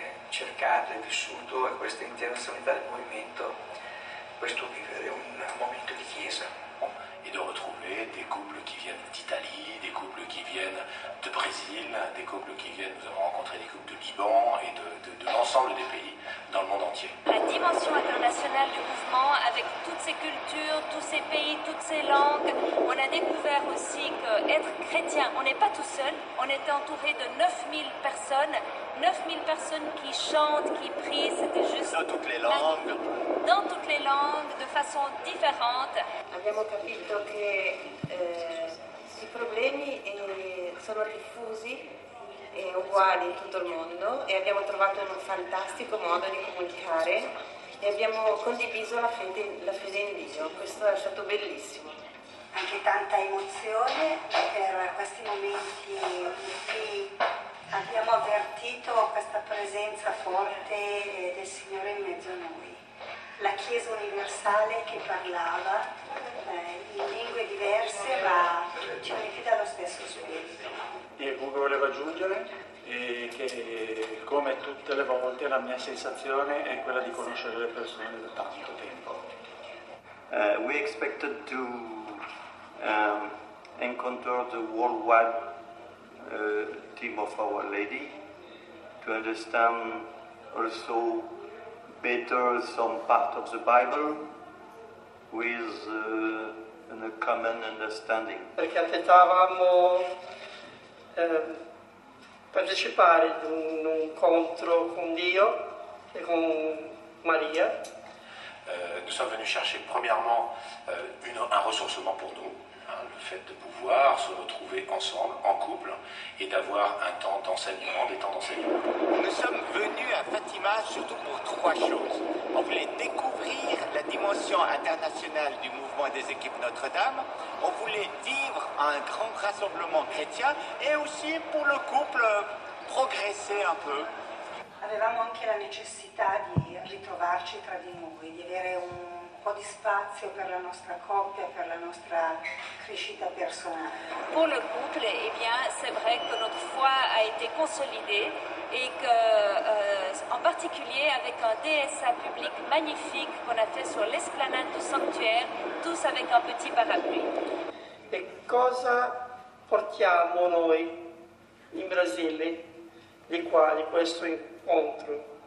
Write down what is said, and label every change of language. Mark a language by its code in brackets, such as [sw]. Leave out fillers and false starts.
[it] Cercato e vissuto è questa intenzionalità del movimento questo vivere è un momento di chiesa. [fr] Et de retrouver des couples qui viennent d'Italie, des couples qui viennent de Brésil, des couples qui viennent, nous avons rencontré des couples de Liban et de l'ensemble des pays dans le monde entier. La dimension internationale du mouvement, avec toutes ces cultures, tous ces pays, toutes ces langues, on a découvert aussi qu'être chrétien, on n'est pas tout seul, on est entouré de 9000 personnes, 9000 personnes qui chantent, qui prient, c'était juste... Dans toutes les langues. Dans toutes les langues, de façon différente. [it] Abbiamo capito che i problemi sono diffusi e uguali in tutto il mondo e abbiamo trovato un fantastico modo di comunicare e abbiamo condiviso la fede in Dio. Questo è stato bellissimo. Anche tanta emozione per questi momenti in cui abbiamo avvertito questa presenza forte del Signore in mezzo a noi. La Chiesa universale che parlava in lingue diverse ma ci uniti dallo stesso spirito. E comunque volevo aggiungere che come tutte le volte la mia sensazione è quella di conoscere le persone da tanto tempo. [en] We expected to encounter the worldwide team of Our Lady to understand also better some part of the Bible with a common understanding. [it] Perché aspettavamo partecipare ad un incontro con Dio e con Maria. [fr] Nous sommes venus chercher premièrement un ressourcement pour nous, le fait de pouvoir se retrouver ensemble, en couple, et d'avoir un temps d'enseignement, des temps d'enseignement. Nous sommes venus à Fatima surtout pour trois choses. On voulait découvrir la dimension internationale du mouvement des équipes Notre-Dame, on voulait vivre un grand rassemblement chrétien, et aussi pour le couple progresser un peu. [it] Avevamo anche la necessità di ritrovarci tra di noi, di avere un po' di spazio per la nostra coppia, per la nostra crescita personale. [fr] Pour le couple, eh bien, c'est vrai que notre foi a été consolidée et que, en particulier avec un DSA public magnifique qu'on a fait sur l'esplanade du sanctuaire, tous avec un petit parapluie. [it] E cosa portiamo noi in Brasile, di qua, di questo incontro?